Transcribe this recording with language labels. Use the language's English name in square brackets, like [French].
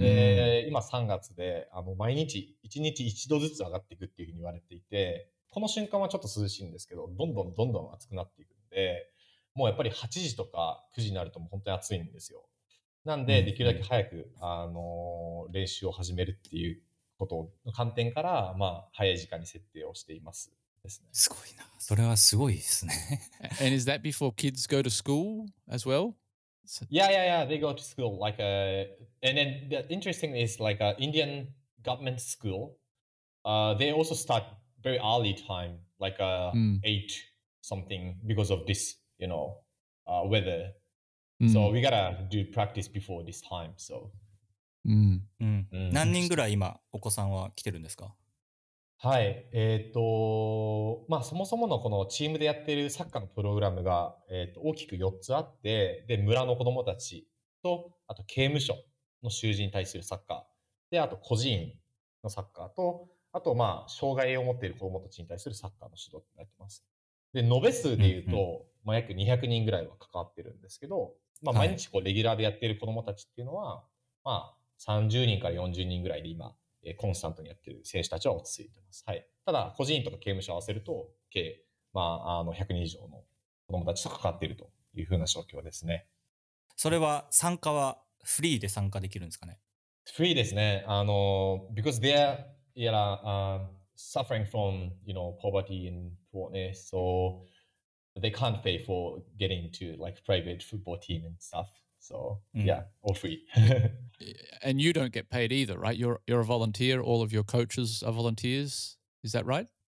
[Japanese] で、今3月で、毎日、1日1度ずつ上がっていくっていうふうに言われていて、この瞬間はちょっと涼しいんですけど、どんどん暑くなっていくんで、もうやっぱり8時とか9時になるともう本当に暑いんですよ。なんで、できるだけ早く、練習を始めるっていうことの観点から、まあ、早い時間に設定をしていますですね。すごいな。それはすごいですね。 [English] And is that before kids go to school as well? Yeah. They go to school. Like, and then the interesting is like an Indian government school. They also start very early time, like 8 something because of this, you know, weather. So we gotta do practice before this time, so. [Japanese] 何人ぐらい今お子さんは来てるんですか？はい、まあそもそものこのチームでやってるサッカーのプログラムが、大きく4つあって、で村の子どもたちと、あと刑務所の囚人に対するサッカーで、あと個人のサッカーと、あとまあ障害を持っている子どもたちに対するサッカーの指導になってます。で、延べ数でいうと、まあ、約200人ぐらいは関わってるんですけど、まあ、毎日こうレギュラーでやってる子どもたちっていうのは、はい、まあ、30人から40人ぐらいで今、コンスタントにやってる選手たちは落ち着いてます。はい。ただ個人とか刑務所合わせると計、まあ、100人以上の子どもたちと関わっているというふうな状況ですね。それは参加はフリーで参加できるんですかね？フリーですね。 [English] because they are suffering from, you know, poverty and poorness, soThey can't pay for getting to like private football team and stuff. So, yeah, all free. And you don't get paid either, right? You're a volunteer. All of your coaches are volunteers. Is that right?